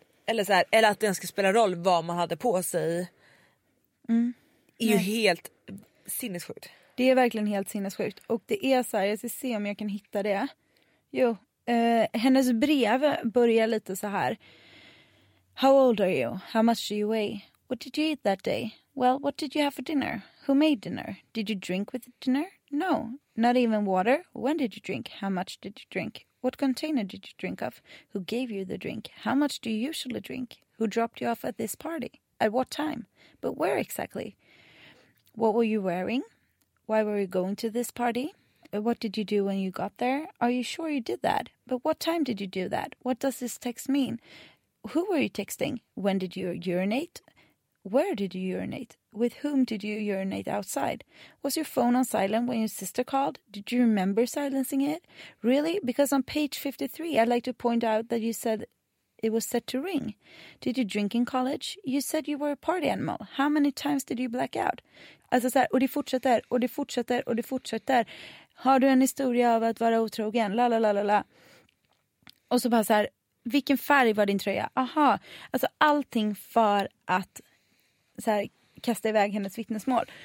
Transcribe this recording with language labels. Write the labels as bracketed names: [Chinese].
[Swedish] Eller så här, eller att det ens ska spela roll vad man hade på sig. Mm. Är ju helt sinnessjukt. Det är verkligen helt sinnessjukt. Och det är så här, jag ska se om jag kan hitta det. Jo, hennes brev börjar lite så här. [English] How old are you? How much do you weigh? What did you eat that day? Well, what did you have for dinner? Who made dinner? Did you drink with dinner? No, not even water. When did you drink? How much did you drink? What container did you drink of? Who gave you the drink? How much do you usually drink? Who dropped you off at this party? At what time? But where exactly? What were you wearing? Why were you going to this party? What did you do when you got there? Are you sure you did that? But what time did you do that? What does this text mean? Who were you texting? When did you urinate? Where did you urinate? With whom did you urinate outside? Was your phone on silent when your sister called? Did you remember silencing it? Really? Because on page 53, I'd like to point out that you said it was set to ring. Did you drink in college? You said you were a party animal. How many times did you black out? [Swedish] Alltså så här, och det fortsätter, och det fortsätter, och det fortsätter. Har du en historia av att vara otrogen? La la la la la. Och så bara så här, vilken färg var din tröja? Aha. Alltså allting för att så här, kasta iväg hennes vittnesmål.